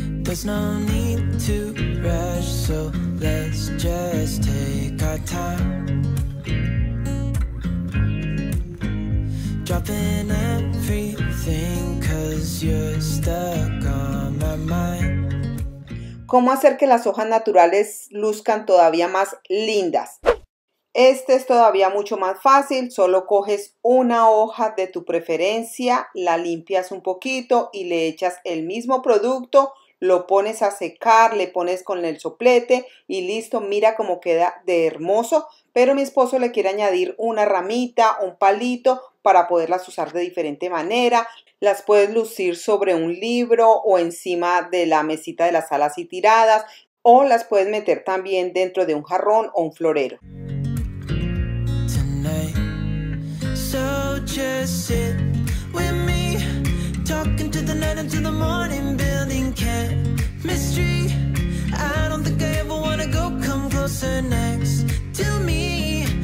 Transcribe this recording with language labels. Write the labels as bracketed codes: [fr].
[en] There's no need to rush, so let's just take our time. Dropping everything, 'cause you're stuck on my mind. [es] ¿Cómo hacer que las hojas naturales luzcan todavía más lindas? Este es todavía mucho más fácil, solo coges una hoja de tu preferencia, la limpias un poquito y le echas el mismo producto, lo pones a secar, le pones con el soplete y listo, mira cómo queda de hermoso, pero mi esposo le quiere añadir una ramita, un palito para poderlas usar de diferente manera, las puedes lucir sobre un libro o encima de la mesita de la sala así tiradas o las puedes meter también dentro de un jarrón o un florero. [en] So just sit with me, talking to the night until the morning, building chemistry. I don't think I ever wanna go come closer next to me.